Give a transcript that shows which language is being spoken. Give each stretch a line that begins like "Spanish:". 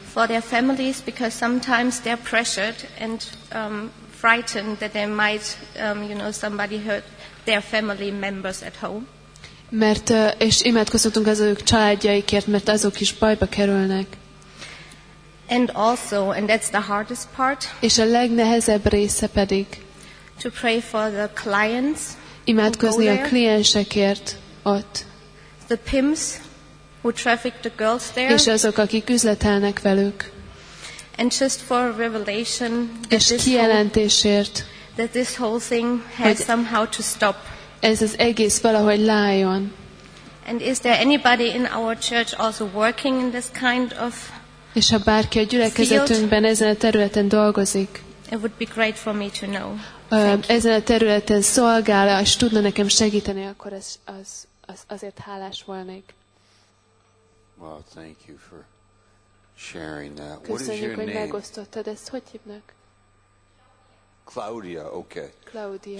English: For their families, because sometimes they're pressured and frightened that they might, you know, somebody hurt their family members at home.
Hungarian: Mert és imádkozhatunk az ők családjaikért, mert azok is bajba kerülnek.
English: And also, and that's the hardest part.
Hungarian: És a legnehezebb része pedig.
English: To pray for the clients.
Hungarian: Imádkozni a kliensekért ott.
English: The pimps. Who traffic the girls there?
Hungarian: És azok, akik üzletelnek velük.
English: And just for revelation,
Hungarian: és kijelentésért,
English: that this whole thing has somehow to stop.
Hungarian: Ez az egész valahogy lájon.
English: And is there anybody in our church also working in this kind of field?
Hungarian: És ha bárki a gyülekezetünkben ezen a területen dolgozik,
English: it would be great for me to know.
Hungarian: Ezen a területen szolgál, és tudna nekem segíteni, akkor az azért hálás volnék.
English: Well, thank you for sharing that.
Hungarian: Köszönjük,
English: what is your
Hungarian: hogy
English: name?
Hungarian: Ezt, hogy hívnak?
English: Claudia, okay.
Hungarian: Claudia.